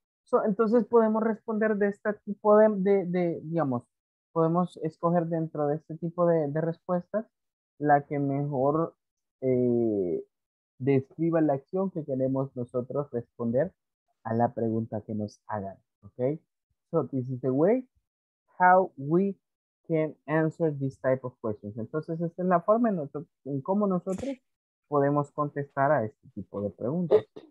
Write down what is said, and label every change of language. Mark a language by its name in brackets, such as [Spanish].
[Spanish] So, entonces podemos responder de este tipo de digamos, podemos escoger dentro de este tipo de respuestas la que mejor describa la acción que queremos nosotros responder a la pregunta que nos hagan. [English] Okay? So, this is the way how we can answer this type of questions. [Spanish] Entonces, esta es la forma en cómo nosotros podemos contestar a este tipo de preguntas.